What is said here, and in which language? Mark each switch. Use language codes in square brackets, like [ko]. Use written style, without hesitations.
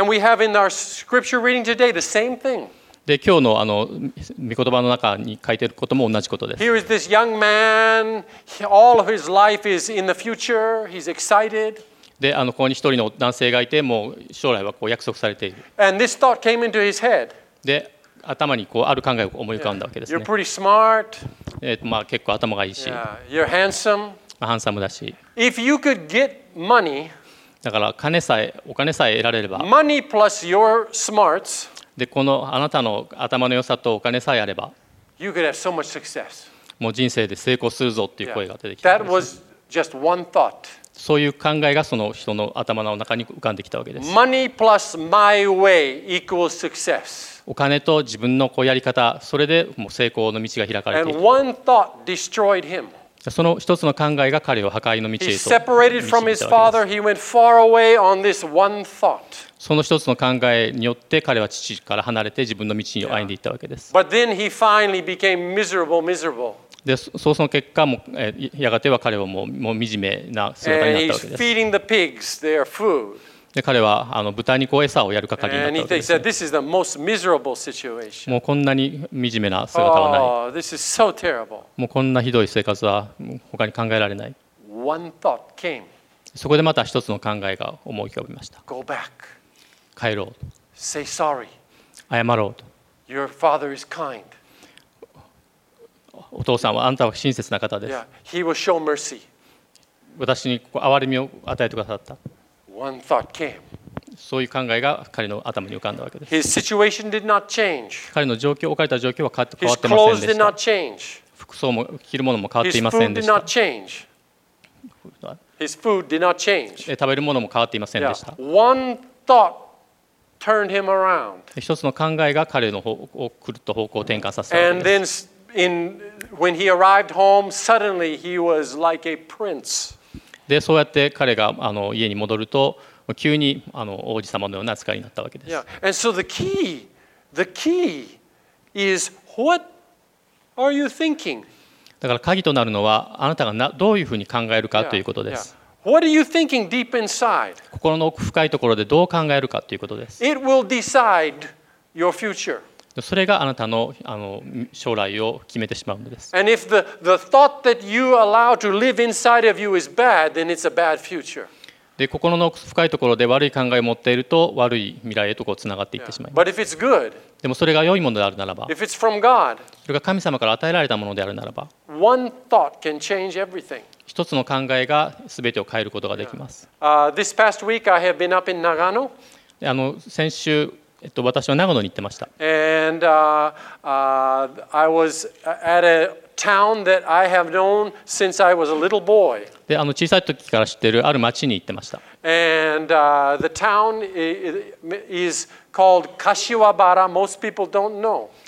[en] And we have in our scripture reading today the same thing. [ja] で今日の御言葉の中に書いてることも同じことです。 [en] Here is this young man. All of his life is in the future. He's excited. [ja] でここに一人の男性がいて、もう将来はこう約束されている。 [en] And this thought came into his head. [ja] で頭にこうある考えを思い浮かんだわけですね。 [en] You're pretty smart. [ja] まあ結構頭がいいし。 [en] Yeah. You're handsome. [ja] まあハンサムだし。 [en] If you could get money. [ja] だから金さえ、お金さえ得られれば。 [en] Money plus your smarts. [ja] でこのあなたの頭の良さとお金さえあれば、 [en] you could have so much success. [ja] もう人生で成功するぞっていう声が出てき [en] た。That was just one thought. [ja] そういう考えがその人の頭の中に浮かんできたわけです。 [en] Money plus my way equals success. [ja] お金と自分のこうやり方、それでもう成功の道が開かれてい [en] く。And one thought destroyed him. [ja] その一つの考えが彼を破壊の道へと導いた。 [en] He separated from his father. He went far away on this one thought. [ja] その一つの考えによって彼は父から離れて自分の道に歩んでいったわけです。 [en] But then he finally became miserable, miserable. [ja] で、その結果もやがては彼はもう惨めな姿になったわけです。 [en] And he's feeding the pigs their food. [ja] で、彼は豚にこう餌をやる係になったわけです。 [en] And he said, "This is the most miserable situation." [ja] もうこんなに惨めな姿はない。 [en] Oh, this is so terrible. [ja] もうこんなひどい生活は他に考えられない。 [en] One thought came. [ja] そこでまた一つの考えが思い浮かびました。 [en] Go back. [ja] 帰ろう。 [en] Say sorry. [ja] 謝ろうと。 [en] Your father is kind. [ja] お父さんはあなたは親切な方です。 [en] Yeah, he will show mercy. [ja] 私に憐れみを与えてくださった。 [en] One thought came. [ja] そういう考えが彼の頭に浮かんだわけです。 [en] His situation did not change. [ja] 彼の状況、置かれた状況は変わってませんでした。 [en] did not change. [ja] 服装も着るものも変わっていませんでした。 [en] His food did not change. His food did not change. [ja] 食べるものも変わっていませんでした。 [en] Yeah. One thought. Turned him around. [ja] 一つの考えが彼の方を狂った方向を転換させたわけです。 [en] And then, when he arrived home, suddenly he was like a prince. [ja] で、そうやって彼が家に戻ると、急に王子様のような扱いになったわけです。 [en] Yeah. And so the key is what are you thinking? [ja] だから鍵となるのはあなたがどういうふうに考えるかということです。 [en] Yeah. Yeah. What are you thinking deep inside? [ja] 心の奥深いところでどう考えるかということです。 [en] It will decide your future. [ja] それがあなたの将来を決めてしまうのです。 [en] And if the thought that you allow to live inside of you is bad, then it's a bad future. [ja] で、心の奥深いところで悪い考えを持っていると悪い未来へとこうつながっていってしまいます。 [en] But if it's good, [ja] でもそれが良いものであるならば、 [en] if it's from God, [ja] それが神様から与えられたものであるならば、 [en] one thought can change everything. [ja] 一つの考えが全てを変えることができます。 [en] This past week I have been up in Nagano. [ja] 先週、私は長野に行ってました。 [en] And I was at a town that I have known since I was a little boy. [ja] で、小さい時から知っているある町に行ってました。 [en] And the town is called Kashiwabara. Most people don't know.